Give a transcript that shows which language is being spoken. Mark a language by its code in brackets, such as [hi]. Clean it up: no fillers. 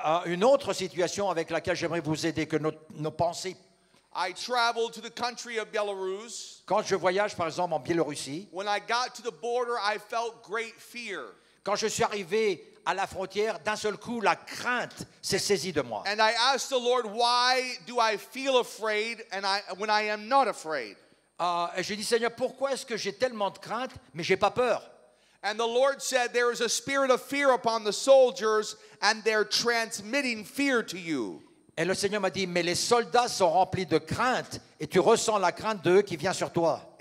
[fr] Une autre situation avec laquelle j'aimerais vous aider que nos pensées. [en] I traveled to the country of Belarus. [fr] Quand je voyage, par exemple, en Biélorussie. [en] When I got to the border, I felt great fear. [fr] Quand je suis arrivé à la frontière, d'un seul coup, la crainte s'est saisie de moi. [en] And I asked the Lord, why do I feel afraid when I am not afraid? [fr] Et j'ai dit, Seigneur, pourquoi est-ce que j'ai tellement de crainte, mais j'ai pas peur? [en] And the Lord said, there is a spirit of fear upon the soldiers, and they're transmitting fear to you. [fr] Et le Seigneur m'a dit, mais les soldats sont remplis de crainte et tu ressens la crainte d'eux qui vient sur toi.